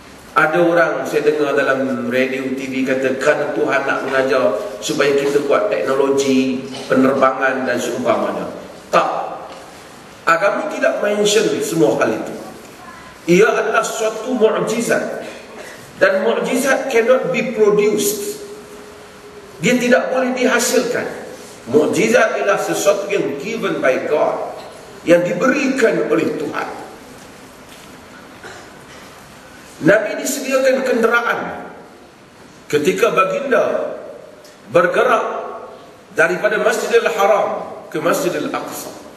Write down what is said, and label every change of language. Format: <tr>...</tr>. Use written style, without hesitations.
<ms>Ada orang saya dengar dalam radio TV kata, kan Tuhan nak mengajar supaya kita buat teknologi penerbangan dan seumpamanya. Tak. Agama tidak mention semua hal itu. Ia adalah suatu mukjizat. Dan mukjizat</ms> <en>cannot be produced.</en> <ms>Dia tidak boleh dihasilkan. Mukjizat ialah sesuatu yang</ms> <en>given by God,</en> <ms>yang diberikan oleh Tuhan. Nabi disediakan kenderaan ketika baginda bergerak daripada Masjidil Haram ke Masjidil Aqsa.</ms>